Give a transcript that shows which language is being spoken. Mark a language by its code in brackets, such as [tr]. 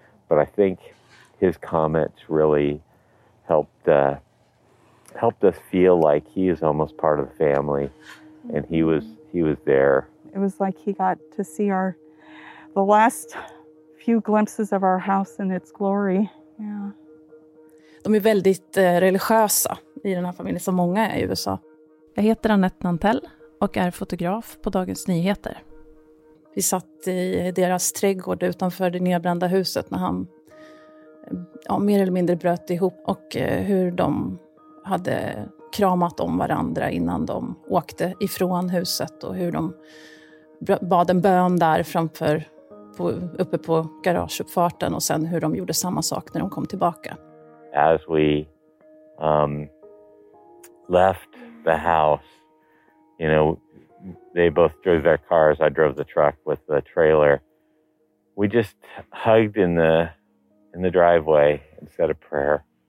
[en] But I think his comments really helped us feel like he is almost part of the family, and he was there. It was like he got to see the last few glimpses of our house in its glory. Yeah. [sv] De är väldigt religiösa i den här familjen, som många är i USA. Jag heter Annette Nantell och är fotograf på Dagens Nyheter. Vi satt i deras trädgård utanför det nedbrända huset när han ja, mer eller mindre bröt ihop. Och hur de hade kramat om varandra innan de åkte ifrån huset och hur de bad en bön där framför uppe på garageuppfarten och sen hur de gjorde samma sak när de kom tillbaka. [en] As we left the house, you know, they both drove their cars, I drove the truck with the trailer. We just hugged in the driveway and said a prayer.